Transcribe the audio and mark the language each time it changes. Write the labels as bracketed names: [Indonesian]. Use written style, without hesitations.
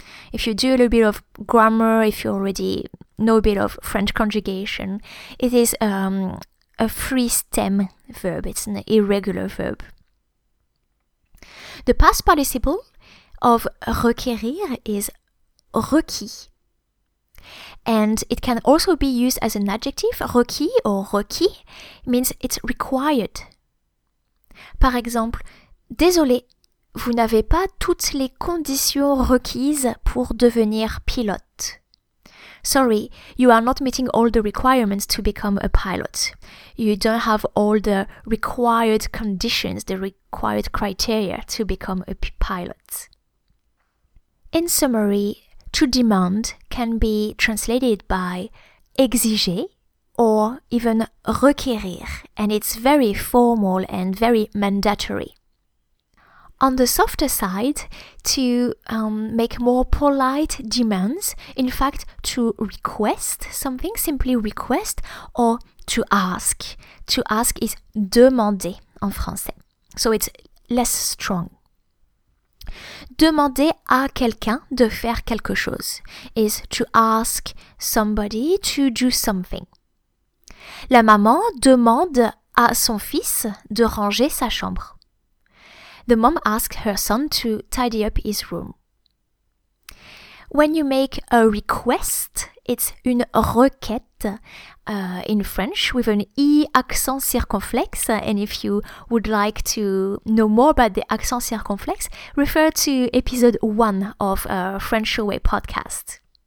[English] If you do a little bit of grammar, if you already know a bit of French conjugation, it is a free stem verb, it's an irregular verb. The past participle of requérir is requis. And it can also be used as an adjective, requis or requis, means it's required. [French] Par exemple, désolé, vous n'avez pas toutes les conditions requises pour devenir pilote. [English] Sorry, you are not meeting all the requirements to become a pilot. You don't have all the required conditions, the required criteria to become a pilot. In summary, to demand can be translated by exiger or even requérir, and it's very formal and very mandatory. On the softer side, to make more polite demands, in fact, to request something, simply request, or to ask. To ask is demander en français. So it's less strong. Demander à quelqu'un de faire quelque chose is to ask somebody to do something. [French] La maman demande à son fils de ranger sa chambre. [English] The mom asks her son to tidy up his room. When you make a request, it's une requête in French with an E accent circonflexe. And if you would like to know more about the accent circonflexe, refer to episode 1 of French Away podcast.